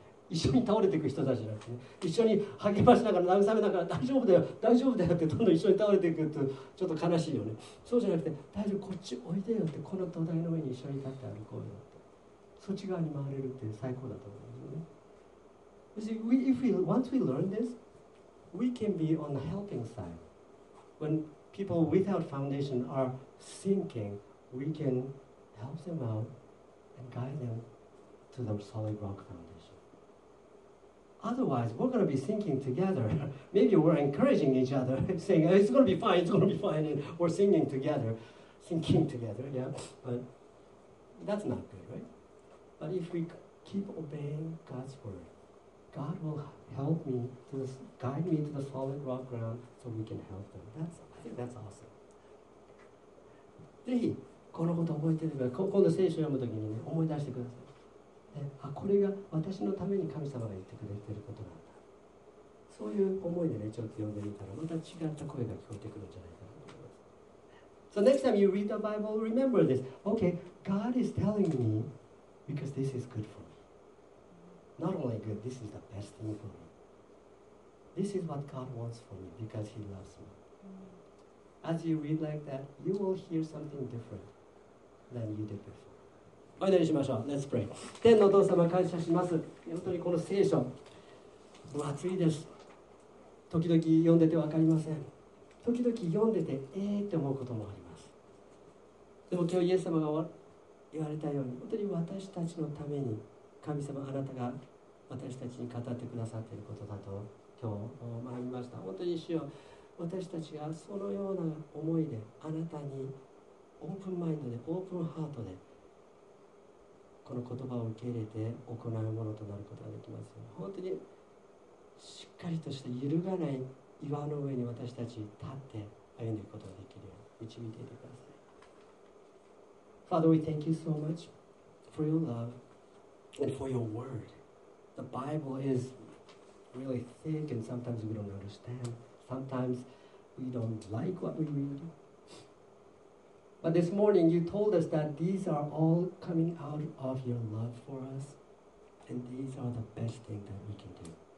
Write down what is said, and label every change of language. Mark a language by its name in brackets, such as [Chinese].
[Japanese] 一緒に倒れていく人たちじゃなくて、ね、一緒に励ましながら慰めながら、大丈夫だよ大丈夫だよって、どんどん一緒に倒れていくとちょっと悲しいよね。そうじゃなくて、大丈夫、こっちおいでよって、この土台の上に一緒に立って歩こうよって、そっち側に回れるって最高だと思うんですよね。 [English] You see, once we learn this, we can be on the helping side. When people without foundation are sinking, we can help them out and guide them to the solid rock foundation. Otherwise, we're going to be thinking together. Maybe we're encouraging each other, saying, it's going to be fine, it's going to be fine. And we're singing together, thinking together, yeah. But that's not good, right? But if we keep obeying God's word, God will help me, to guide me to the solid rock ground so we can help them. I think that's awesome. [Japanese] ぜひこのこと覚えてれば、今度聖書読むときに、ね、思い出してください。あ、これが私のために神様が言ってくれていることなんだ、そういう思いでね、ちょっと読んでみたら、また違った声が聞こえてくるんじゃないかなと思います。 [English] So next time you read the Bible, remember this. Okay, God is telling me because this is good for me. Not only good, this is the best thing for me. This is what God wants for me because He loves me. As you read like that, you will hear something different than you did before. [Japanese] お祈りしましょう。 [English] Let's pray. [Japanese] 天のお父様、感謝します。本当にこの聖書、分厚いです。時々読んでて分かりません。時々読んでて、って思うこともあります。でも今日イエス様が言われたように、本当に私たちのために、神様、あなたが私たちに語ってくださっていることだと今日学びました。本当に主よ、私たちがそのような思いで、あなたにオープンマインドで、オープンハートで、この言葉を受け入れて行うものとなることができますよ。本当にしっかりとした揺るがない岩の上に私たち立って歩んでいくことができるように導いていてください。 [English] Father, we thank you so much for your love and for your word. The Bible is really thick and sometimes we don't understand. Sometimes we don't like what we readBut this morning you told us that these are all coming out of your love for us, and these are the best thing that we can do.